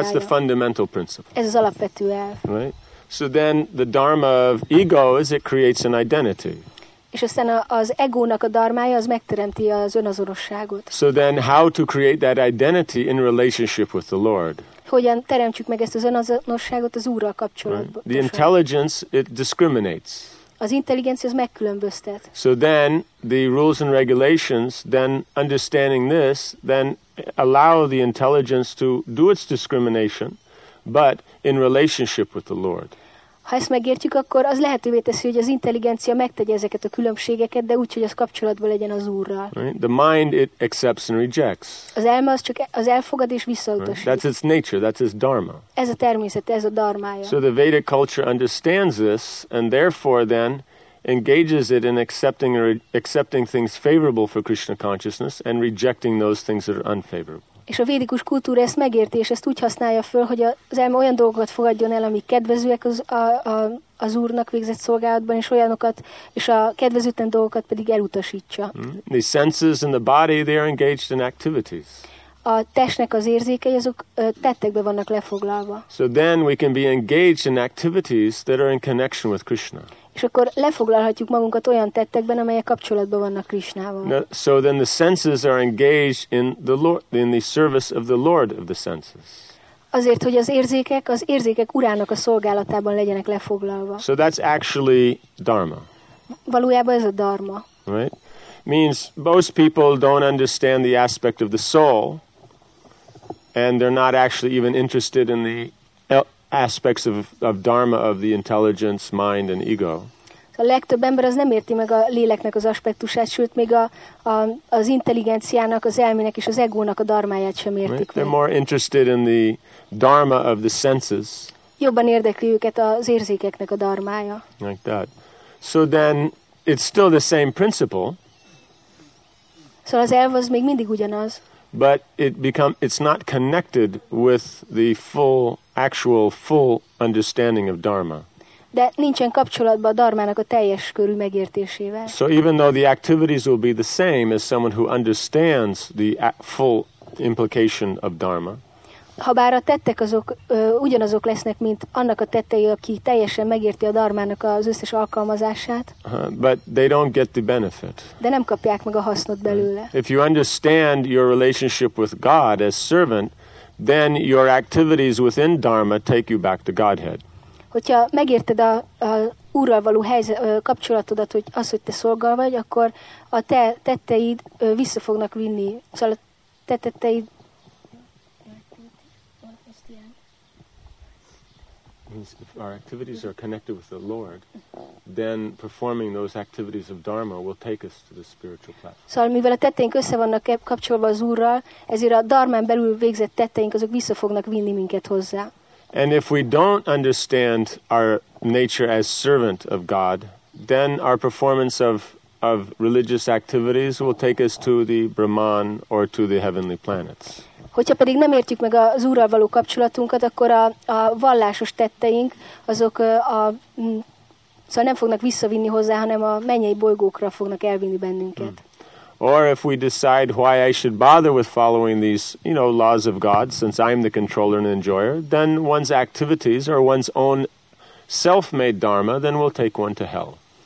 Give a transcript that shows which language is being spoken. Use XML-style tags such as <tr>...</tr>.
<en>So that's the fundamental principle.</en> <hu>Ez az alapvető elv.</hu> <en>Right? So then the dharma of ego is it creates an identity.</en> <hu>És aztán az egónak a dharmája az megteremti az önazonosságot.</hu> <en>So then how to create that identity in relationship with the Lord?</en> <hu>Hogyan teremtjük meg ezt az önazonosságot az Úrral kapcsolatban?</hu> <en>Right. The intelligence, it discriminates.</en> <hu>Az intelligencia az megkülönböztet.</hu> <en>So then the rules and regulations, then understanding this, then allow the intelligence to do its discrimination, but in relationship with the Lord.</en> <hu>Ha ezt megértjük, akkor az lehetővé teszi, hogy az intelligencia megtegye ezeket a különbségeket, de úgy, hogy az kapcsolatban legyen az Úrral.</hu> <en>Right? The mind, it accepts and rejects.</en> <hu>Az elme az csak az elfogad és visszautasít.</hu> <en>That's its nature, that's its dharma.</en> <hu>Ez a természet, ez a dharmája.</hu> <en>So the Vedic culture understands this, and therefore then engages it in accepting or accepting things favorable for Krishna consciousness and rejecting those things that are unfavorable.</en> <hu>És a védikus kultúra ezt megérti, és ezt úgy használja föl, hogy az elme olyan dolgokat fogadjon el, amik kedvezőek az Úrnak végzett szolgálatban, és olyanokat, és a kedvezőtlen dolgokat pedig elutasítsa.</hu> <en>The senses and the body, they are engaged in activities.</en> <hu>A testnek az érzékei, azok tettekbe vannak lefoglalva.</hu> <en>So then we can be engaged in activities that are in connection with Krishna.</en> <hu>És akkor lefoglalhatjuk magunkat olyan tettekben, amelyek kapcsolatban vannak Krishnával.</hu> <en>So then the senses are engaged in the Lord, in the service of the Lord of the senses.</en> <hu>Azért, hogy az érzékek urának a szolgálatában legyenek lefoglalva.</hu> <en>So that's actually dharma.</en> <hu>Valójában ez a dharma.</hu> <en>Right? Means most people don't understand the aspect of the soul, and they're not actually even interested in the aspects of dharma of the intelligence, mind and ego.</en> <hu>A legtöbb ember az nem érti meg a léleknek az aspektusát, sőt még az intelligenciának, az elmének és az egónak a dharmáját sem értik meg.</hu> <en>They're more interested in the dharma of the senses.</en> <hu>Jobban érdekli őket az érzékeknek a dharmája.</hu> <en>Like that. So then it's still the same principle.</en> <hu>Szóval az elv az még mindig ugyanaz.</hu> <en>But it's not connected with the full understanding of dharma.</en> <hu>De nincsen kapcsolatban a dharmának a teljes körű megértésével.</hu> <en>So even though the activities will be the same as someone who understands the full implication of dharma.</en> <hu>Habár a tettek azok ugyanazok lesznek, mint annak a tettei, aki teljesen megérti a dharmának az összes alkalmazását.</hu> <en>But they don't get the benefit.</en> <hu>De nem kapják meg a hasznot belőle.</hu> <en>If you understand your relationship with God as servant, then your activities within dharma take you back to Godhead.</en> <hu>Hogyha megérted a Úrral való kapcsolatodat, hogy az, hogy te szolgál vagy, akkor a te tetteid vissza fognak vinni. Szóval a te tetteid...</hu> <en>If our activities are connected with the Lord, then performing those activities of dharma will take us to the spiritual platform.</en> <hu>Szóval, mivel a tetteink össze vannak kapcsolva az Úrral, ezért a dharmán belül végzett tetteink azok vissza fognak vinni minket hozzá.</hu> <en>And if we don't understand our nature as servant of God, then our performance of religious activities will take us to the Brahman or to the heavenly planets.</en> <hu>Hogyha pedig nem értjük meg az Úrral való kapcsolatunkat, akkor a vallásos tetteink, azok szóval nem fognak visszavinni hozzá, hanem a mennyei bolygókra fognak elvinni bennünket.</hu> <en>Or if we decide why I should bother with following these, you know, laws of God, since I'm the controller and enjoyer, then one's activities or one's own self-made dharma, then will take one to hell.</en>